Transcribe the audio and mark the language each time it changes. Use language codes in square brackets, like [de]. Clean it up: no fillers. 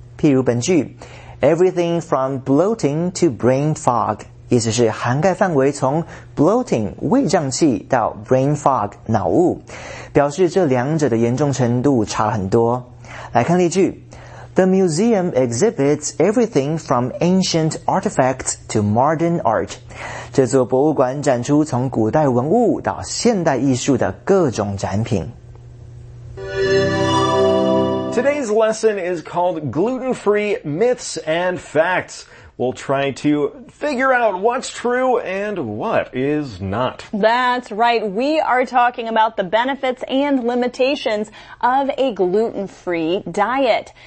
[zh] 譬如本句 ， [en] everything from bloating to brain fog， [zh] 意思是涵盖范围从 bloating 胃胀气到 brain fog 脑雾，表示这两者的严重程度差很多。来看例句。 [en] The museum exhibits everything from ancient artifacts to modern art. [zh] 这座博物馆展出从古代文物到现代艺术的各种展品。 [en] Today's lesson is called Gluten-Free Myths and Facts. We'll try to figure out what's true and what is not. That's right. We are talking about the benefits and limitations of a gluten-free diet.